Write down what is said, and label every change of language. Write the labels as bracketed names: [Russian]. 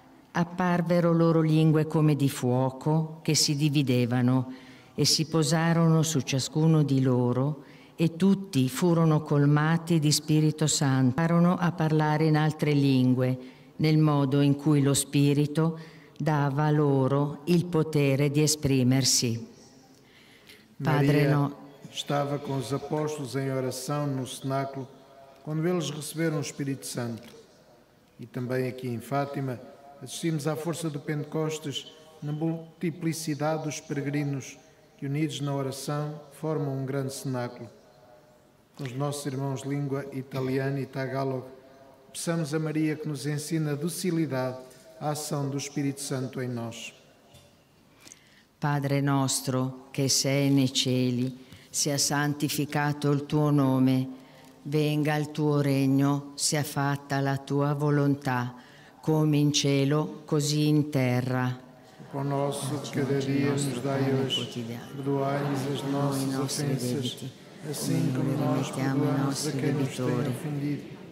[Italian] Apparvero loro lingue come di fuoco che si dividevano e si posarono su ciascuno di loro e tutti furono colmati di Spirito Santo. Imparano a parlare in altre lingue nel modo in cui lo Spirito dava loro il potere di esprimersi. Padre, no. [Portuguese] Estava com os apóstolos em oração no cenáculo quando eles receberam o Espírito Santo. E também aqui em Fátima assistimos à força do Pentecostes na multiplicidade dos peregrinos que, unidos na oração, formam um grande cenáculo. Com os nossos irmãos de língua italiana e tagalog, peçamos a Maria que nos ensine a docilidade à ação do Espírito Santo em nós. [Italian] Padre nostro, che sei nei cieli, sia santificato il tuo nome, venga il tuo regno, sia fatta la tua volontà, come in cielo, così in terra. [Portuguese] O nosso de cada dia nos dai hoje, perdoai-nos as nossas ofensas, assim como nós perdoamos a quem nos tem ofendido.